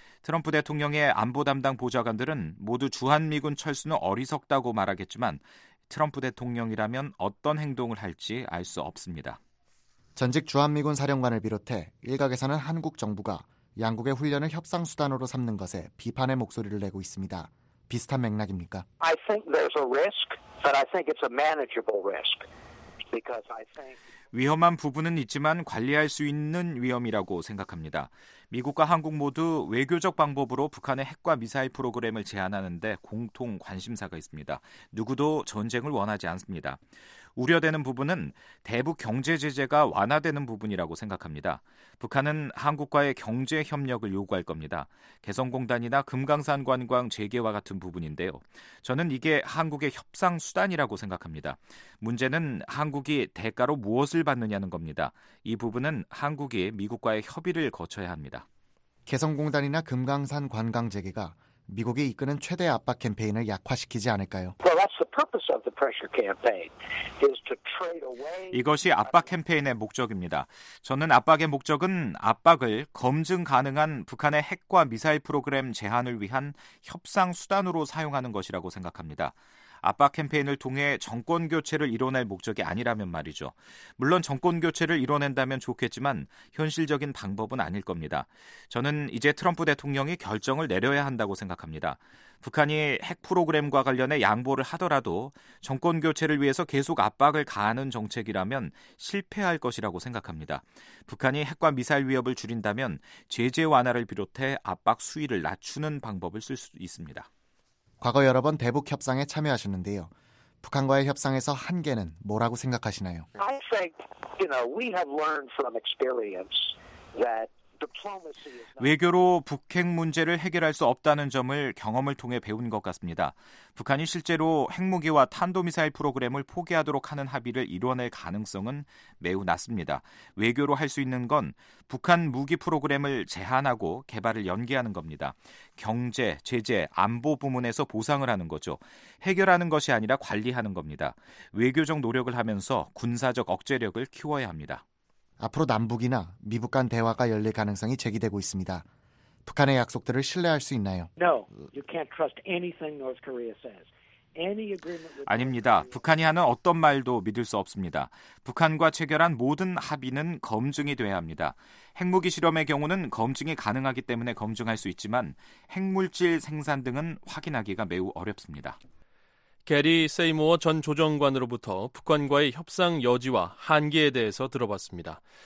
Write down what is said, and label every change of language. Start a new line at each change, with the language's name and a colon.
Korean: 트럼프 대통령의 안보 담당 보좌관들은 모두 주한미군 철수는 어리석다고 말하겠지만 트럼프 대통령이라면 어떤 행동을 할지 알 수 없습니다. 전직 주한미군 사령관을 비롯해 일각에서는 한국 정부가 양국의 훈련을 협상수단으로 삼는 것에 비판의 목소리를 내고 있습니다. 비슷한 맥락입니까?
English: I think there's a risk, but I think it's a manageable risk. Because I think...
Korean: 위험한 부분은 있지만 관리할 수 있는 위험이라고 생각합니다. 미국과 한국 모두 외교적 방법으로 북한의 핵과 미사일 프로그램을 제한하는데 공통 관심사가 있습니다. 누구도 전쟁을 원하지 않습니다. 우려되는 부분은 대북 경제 제재가 완화되는 부분이라고 생각합니다. 북한은 한국과의 경제 협력을 요구할 겁니다. 개성공단이나 금강산 관광 재개와 같은 부분인데요. 저는 이게 한국의 협상 수단이라고 생각합니다. 문제는 한국이 대가로 무엇을 받느냐는 겁니다. 이 부분은 한국이 미국과의 협의를 거쳐야 합니다. 개성공단이나 금강산 관광 재개가 미국이 이끄는 최대 압박 캠페인을 약화시키지 않을까요?
English: Well, that's the purpose of the pressure campaign is to trade away.
Korean: 이것이 압박 캠페인의 목적입니다. 저는 압박의 목적은 압박을 검증 가능한 북한의 핵과 미사일 프로그램 제한을 위한 협상 수단으로 사용하는 것이라고 생각합니다. 압박 캠페인을 통해 정권 교체를 이뤄낼 목적이 아니라면 말이죠. 물론 정권 교체를 이뤄낸다면 좋겠지만 현실적인 방법은 아닐 겁니다. 저는 이제 트럼프 대통령이 결정을 내려야 한다고 생각합니다. 북한이 핵 프로그램과 관련해 양보를 하더라도 정권 교체를 위해서 계속 압박을 가하는 정책이라면 실패할 것이라고 생각합니다. 북한이 핵과 미사일 위협을 줄인다면 제재 완화를 비롯해 압박 수위를 낮추는 방법을 쓸 수 있습니다. 과거 여러 번 대북 협상에 참여하셨는데요. 북한과의 협상에서 한계는 뭐라고 생각하시나요?
English: I think, you know, we have learned from experience that
Korean: 외교로 북핵 문제를 해결할 수 없다는 점을 경험을 통해 배운 것 같습니다. 북한이 실제로 핵무기와 탄도미사일 프로그램을 포기하도록 하는 합의를 이뤄낼 가능성은 매우 낮습니다. 외교로 할 수 있는 건 북한 무기 프로그램을 제한하고 개발을 연기하는 겁니다. 경제, 제재, 안보 부문에서 보상을 하는 거죠. 해결하는 것이 아니라 관리하는 겁니다. 외교적 노력을 하면서 군사적 억제력을 키워야 합니다. 앞으로 남북이나 미북 간 대화가 열릴 가능성이 제기되고 있습니다. 북한의 약속들을 신뢰할 수 있나요?
English: No, you can't trust anything North Korea says.
Korean: 아닙니다. 북한이 하는 어떤 말도 믿을 수 없습니다. 북한과 체결한 모든 합의는 검증이 돼야 합니다. 핵무기 실험의 경우는 검증이 가능하기 때문에 검증할 수 있지만 핵물질 생산 등은 확인하기가 매우 어렵습니다. 게리 세이모어 전 조정관으로부터 북한과의 협상 여지와 한계에 대해서 들어봤습니다.